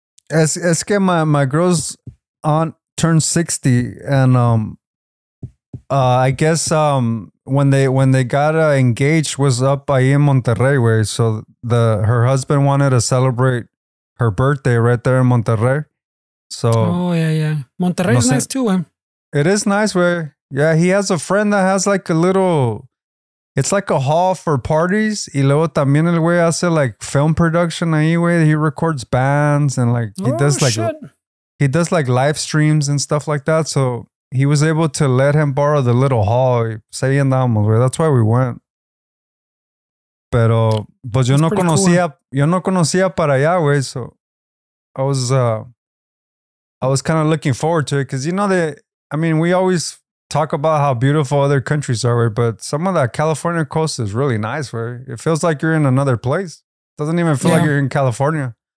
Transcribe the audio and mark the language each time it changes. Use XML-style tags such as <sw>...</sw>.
<es>Es que</es> <en>my girl's aunt turned 60 and I guess when they got engaged was up ahí in Monterrey, güey. So her husband wanted to celebrate her birthday right there in Monterrey. So Monterrey is nice too, güey. It is nice, güey. Yeah, he has a friend that has like a little. It's like a hall for parties.</en> <es>Y luego también el güey hace</es> <en>like film production</en> <es>ahí, güey.</es> <en>He records bands and like he does like live streams and stuff like that. So he was able to let him borrow the little hall. Say andamos, güey. That's why we went.</en> <es>Pero pues yo no conocía para allá, güey.</es> <en>So I was kind of looking forward to it because, you know, we always talk about how beautiful other countries are, right? But some of that California coast is really nice, where it feels like you're in another place. Doesn't even feel like you're in California.</en>